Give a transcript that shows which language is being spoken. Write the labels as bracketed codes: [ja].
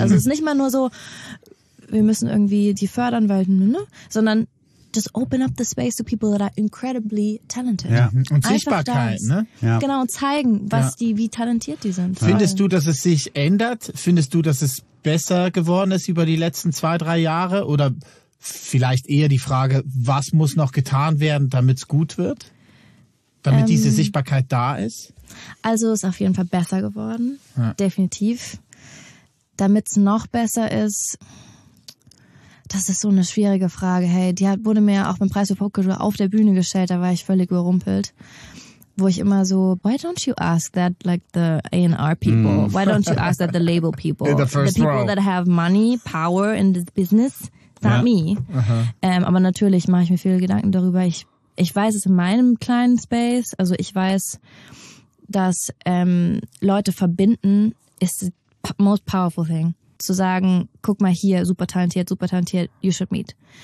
[de] Also es ist nicht mal nur so, wir müssen irgendwie die fördern, weil, ne? [en] Sondern just open up the space to people that are incredibly talented. [de] Ja. Und Sichtbarkeit, ne? Ja. Genau, und zeigen, was die, wie talentiert die sind. Ja. Findest du, dass es sich ändert? Findest du, dass es besser geworden ist über die letzten 2-3 Jahre? Oder vielleicht eher die Frage, was muss noch getan werden, damit es gut wird? Damit diese Sichtbarkeit da ist? Also ist auf jeden Fall besser geworden. Ja. Definitiv. Damit es noch besser ist, das ist so eine schwierige Frage. Hey, die wurde mir auch beim Preis für Popkultur auf der Bühne gestellt, da war ich völlig überrumpelt. Wo ich immer so, [en] why don't you ask that like the A&R people? Why don't you ask that the label people? The people that have money, power in this business? Not me. Uh-huh. [de] Aber natürlich mache ich mir viele Gedanken darüber. Ich weiß es in meinem kleinen Space. Also ich weiß, dass Leute verbinden ist [en] the most powerful thing. [de] Zu sagen, guck mal hier, super talentiert, [en] you should meet.